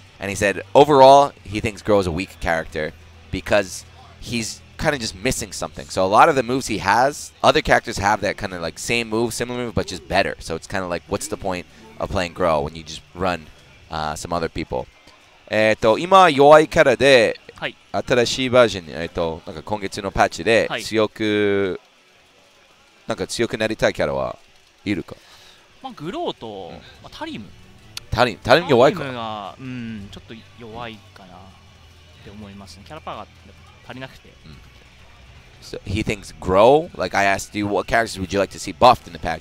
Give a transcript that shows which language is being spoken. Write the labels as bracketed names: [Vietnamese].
[English] And he said overall he thinks Grow is a weak character because he's kind of just missing something. So a lot of the moves he has, other characters have that kind of like same move, similar move, but just better. So it's kind of like what's the point of playing Grow when you just run some other people. [Japanese] 今弱いキャラではい、新しいバージョン、なんか今月のパッチで強く、はい、なんか強くなりたいキャラはいるか、まあ、グローと、うんまあ、タリム。タリム弱いかタリムが、うん、ちょっと弱いかなって思いますね。キャラパーが足りなくて。うん、 [English] so, he thinks Grow? Like I asked you, what characters would you like to see buffed in the patch?